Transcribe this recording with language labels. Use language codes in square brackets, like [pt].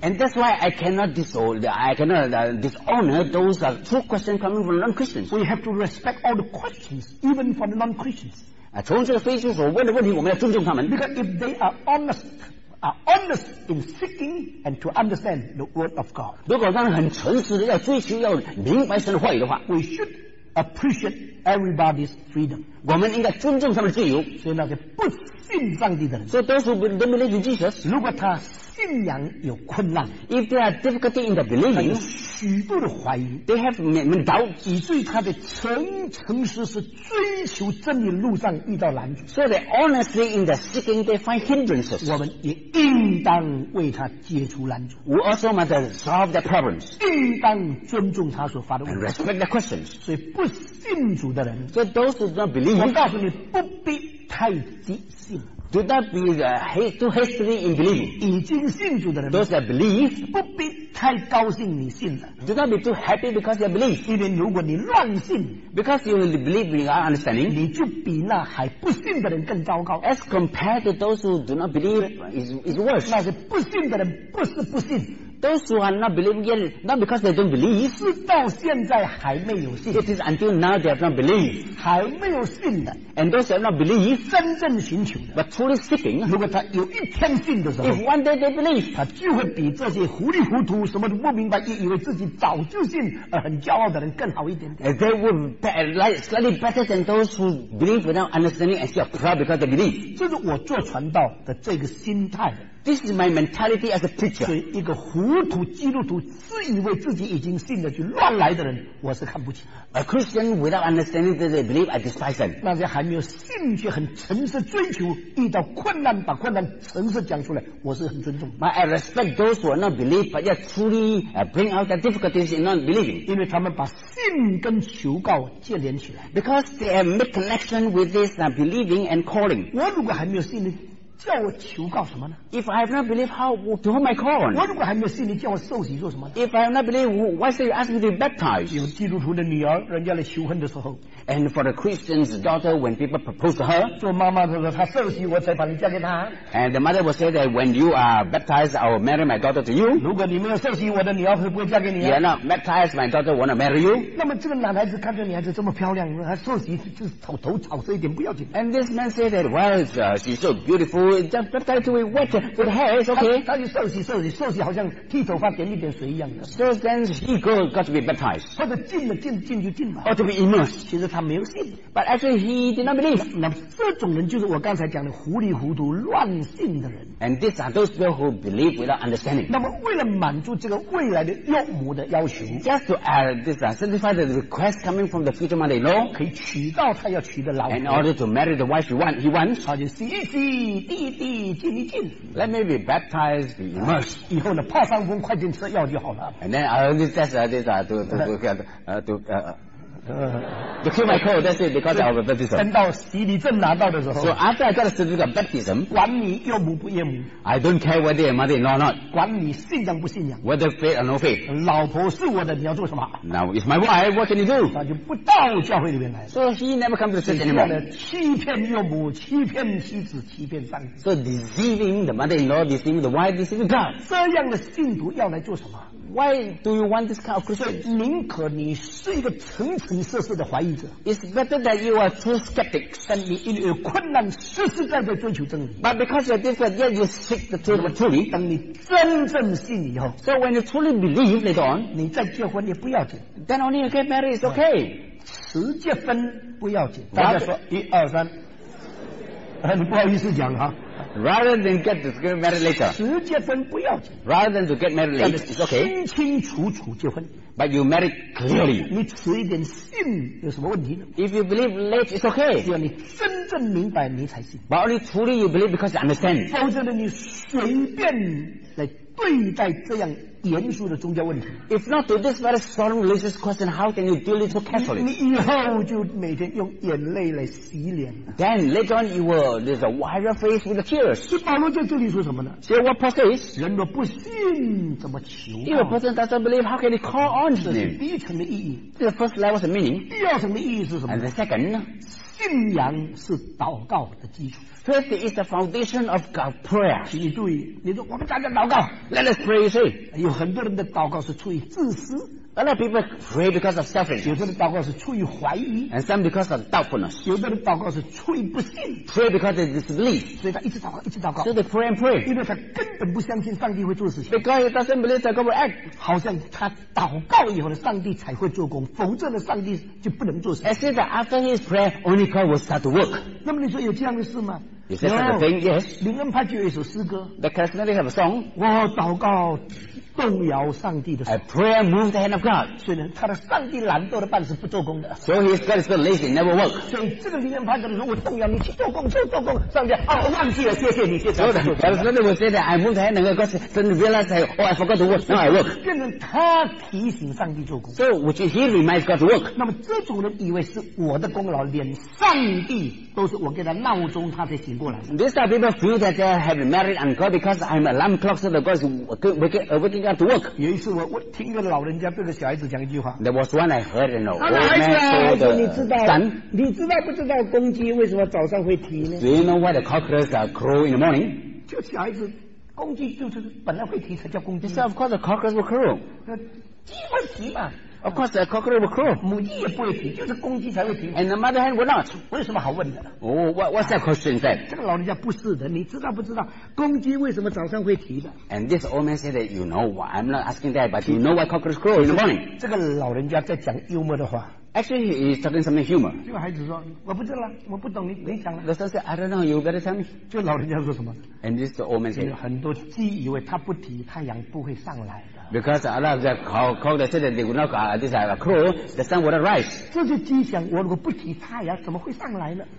[en] And that's why I cannot dishonor those are true questions coming from non-Christians. We have to respect all the questions, even from non-Christians. [zh] 从这个非基督徒问的问题，我们要尊重他们。 [en] Because if they are honest. Honest in seeking and to understand the word of God. [zh] 如果他们很诚实的要追求要明白神的话语的话 [en] ，we should appreciate everybody's freedom. [zh] 我们应该尊重他们的自由。所以那些不信上帝的人 [en] ，so those who don't believe in Jesus, [zh] 如果他信仰有困难 [en] ，if they are difficulty in the believing, [zh] 许多的怀疑 [en] ，they have many doubts, [zh] 以至于他的诚实是追求真理的路上遇到拦阻。 [en] So they honestly in the seeking they find hindrances. [zh] 我们也应当为他解除拦阻。 [en] We also must solve the problems. [zh] 应当尊重他所发的问题。 [en] And respect the questions. [zh] 所以不信主的人 [en] ，so those who don't believe, [zh] 我告诉你不必太急信。 [en] Do not be too hasty in believing. [zh] 已经信主的人 [en] Those that believe [zh] 不必太高兴你信了 [en] Do not be too happy because you believe. [zh] 因为如果你乱信 [en] Because you believe in our understanding [zh] 你就比那还不信的人更糟糕 [en] As compared to those who do not believe is worse. [zh] 那些不信的人不是不信 [en] Those who are not believing yet, not because they don't believe. [zh] 是到现在还没有信。 [en] It is until now they have not believed. [zh] 还没有信的。 [en] And those who have not believed, [zh] 真正寻求的。 [en] But truly seeking, [zh] 如果他有一天信的时候 [en] ，If one day they believe, [zh] 他就会比这些糊里糊涂、什么都不明白、也以为自己早就信而很骄傲的人更好一点点。 [en] They will be like slightly better than those who believe without understanding and still proud because they believe. [zh] 这是我做传道的这个心态。 [en] This is my mentality as a preacher. [zh] 所以一个糊涂基督徒自以为自己已经信了就乱来的人我是看不起 [en] A Christian without understanding that they believe I despise them. [zh] 那些还没有信却很诚实追求遇到困难把困难诚实讲出来我是很尊重 [en] But I respect those who are not believe but yet truly bring out the difficulties in not believing. [zh] 因为他们把信跟求告接连起来 [en] Because they make connection with this believing and calling. [zh] 我如果还没有信呢叫我求告什么呢 [en] ？If I have not believed, how to whom I call on? [zh] 我如果还没有信，你叫我受洗做什么 [en] ？If I have not believed, why should you ask me to be baptized? [zh] 有基督徒的女儿，人家来求婚的时候 [en] ，And for the Christian's daughter, when people propose to her, [zh] 做妈妈的她受洗，我才把你嫁给她。 [en] And the mother will say that when you are baptized, I will marry my daughter to you. [zh] 如果你没有受洗，我的女儿会不会嫁给你、啊、 [en] ？You are not baptized, my daughter will not marry you. [zh] 那么这个男孩子看着女孩子这么漂亮，她受洗就是头草色一点不要紧。 [en] And this man said that, well, she's so beautiful. Just baptized to be wet with hair, it's okay. [zh] 他就受洗，受洗，受洗，好像剃头发点一点水一样的。 [en] So then he got to be baptized. [zh] 或者进了进就进吧。 [en] Or to be immersed. [zh] 其实他没有信。 [en] But actually he did not believe. [zh] 那这种人就是我刚才讲的糊里糊涂乱信的人。 [en] And these are those people who believe without understanding. [zh] 那么为了满足这个未来的岳母的要求 [en] ，just to add this, satisfy the request coming from the future mother-in-law, [zh] 可以娶到他要娶的老婆。 [en] And in order to marry the wife he wants, [zh] 他就洗一洗。弟进一进 [en] Let me be baptized, be immersed. [zh] 以后呢，泡上风，快点吃药就好了。 [en] And then to kill my cold. That's it because of baptism. [zh] 等到洗礼证拿到的时候 [en] ，So after I got a certificate of baptism, [zh] 管你岳母不岳母 [en] ，I don't care whether your mother in law or not. [zh] 管你信仰不信仰 [en] ，whether faith or no faith. [zh] 老婆是我的，你要做什么 [en] ？Now it's my wife. What can you do? [zh] 他就不到教会里面来。 [en] So he never comes to church anymore. [zh] 欺骗岳母，欺骗妻子，欺骗上帝。 [en] So deceiving the mother in law, deceiving the wife, deceiving God. [zh] 这样的信徒要来做什么？ [en] Why do you want this kind of Christian? [zh] 宁可你是一个诚诚实实的怀疑者。 [en] It's better that you are true skeptics. [zh] 但你因为有困难，实实在在追求真理。 [en] But because you're different, yet you seek the truth truly. [zh] 等你真正信以后 [en] ，So when you truly believe later on, [zh] 你再结婚也不要紧。 [en] Then only you get married is okay. [zh] 迟结婚不要紧。大家说一二三，很不好意思讲哈。 [en] Rather than get this married later, [zh] 迟结婚不要紧。 [en] Rather than to get married later, it's okay. [zh] 清清楚楚结婚。 [en] But you married clearly. [zh] 你迟一点信有什么问题呢 [en] ？If you believe late, it's okay. [zh] 只要你真正明白，你才信。 [en] But only truly you believe because you understand. [zh] 否则呢，你随便来对待这样。严肃的宗教问题。 [en] If not to this very solemn religious question, how can you deal it so carefully? [zh] 你以后就每天用眼泪来洗脸。 [en] Then later on, you will just wipe your face with the tears. [zh] 所以保罗在这里说什么呢？ [en] See what Paul says? [zh] 人若不信，怎么求？ [en] If a person doesn't believe, how can he call on to him? [zh] 这是第一层的意义。 [en] The first level is the meaning. [zh] 第二层的意义是什么？ [en] And the second, [zh] 信仰是祷告的基础。 [en] First is the foundation of God's prayer. [zh] 请你注意，你说我们大家祷告 [en] ，Let us pray. [zh] 有很多人的祷告是出于自私 [en] ，A lot of people pray because of selfishness. [zh] 有的人祷告是出于怀疑 [en] ，And some because of doubtfulness. [zh] 有的人祷告是出于不信 [en] ，Pray because of disbelief. [zh] 所以他一直祷告，一直祷告。 [en] So they pray and pray. [zh] 因为他根本不相信上帝会做事情。 [en] Because he doesn't believe that God will act. [zh] 好像他祷告以后呢，上帝才会做工，否则呢，上帝就不能做事。 [en] As if after his prayer, only God will start to work. [zh] 那么你说有这样的事吗？ [en] You said such a thing, yes. [zh] 林恩派就有一首诗歌。 [en] The Charismatic have a song. [zh] 我祷告动摇上帝的手。 [en] A prayer moved the hand of God. [zh] 所以呢，他的上帝懒惰的办事不做工的。 [en] So his God is lazy, never work. [zh] 所以这个林恩派的人说，我动摇你去做工，去做工，上帝啊，我忘记了，谢谢你，谢谢。 [en] So the Charismatic will say that I moved the hand of God, then realize I, oh, I forgot to work, now I work. [zh] 变成他提醒上帝做工。 [en] So which he reminds God to work. [zh] 那么这种人以为是我的功劳，连上帝都是我给他闹钟，他才醒。 [en] These are people feel that they have married on God because I'm a alarm clock so that God is waking up to work. [zh] 有一次我听个老人家对着小孩子讲一句话。 [en] There was one I heard an old man say to the son. [zh] 你知道不知道公鸡为什么早上会啼呢？ [en] Do you know why the cockatoos are crow in the morning? [zh] 就小孩子，公鸡就是本来会啼才叫公鸡。 [en] So of course the cockatoos will crow. [zh] 鸡会啼嘛。 [en] Of course, the cockatoo will crow. [zh] 母鸡也不会啼，就是公鸡才会啼。 [en] And the mother hen will not. [zh] 为什么好问的？ [en] 哦、oh, ，What's that question then? [zh] 这个老人家不是的，你知道不知道公鸡为什么早上会啼的 [en] ？And this old man said that you know what? I'm not asking that, but you know why cockatoos crow in the morning? [zh] 这个老人家在讲幽默的话。 [en] Actually, he is talking something humor. [zh] 这个孩子说，我不知道，我不懂，你讲了。 [en] The son said, I don't know. You better tell me. [zh] 这老人家说什么 [en] ？And this old man said, [zh] 很多鸡以为它不啼，太阳不会上来。 [en] Because a lot of the cow that said that they would not this are crow, the sun would arise. [zh] 这些鸡想，我如果不提太阳，怎么会上来呢？